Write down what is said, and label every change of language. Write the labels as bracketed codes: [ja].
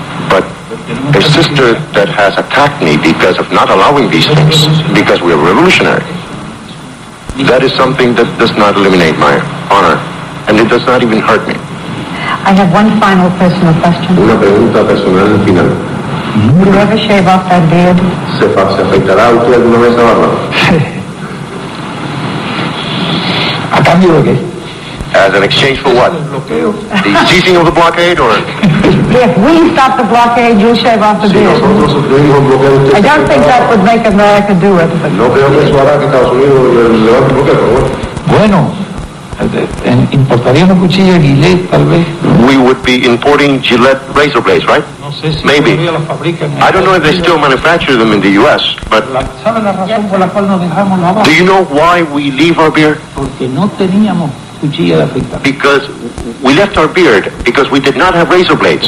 [en] But a sister that has attacked me because of not allowing these things, because we are revolutionary, that is something that does not eliminate my honor, and it does not even hurt me. I have one final personal question. [es] Una pregunta personal final. [en] Do you ever shave off that beard? [es] ¿Se afeitará usted alguna vez la barba? ¿A cambio de qué? [en] As an exchange for what? The ceasing of the blockade, or? If we stop the blockade, you'll shave off the beard. I don't think that would make America do it. [es] No creo que eso hará que Estados Unidos levante el bloqueo. Bueno. Importaríamos cuchillo Gillette, tal vez. [en] We would be importing Gillette razor blades, right? [es] No sé si [en] maybe. I don't know if they still manufacture them in the U.S., but... [es] ¿Sabe la razón por la cual nos dejamos la barba? [en] Do you know why we leave our beard? [es] Porque no teníamos cuchillo de afeitar. [en] Because we left our beard because we did not have razor blades.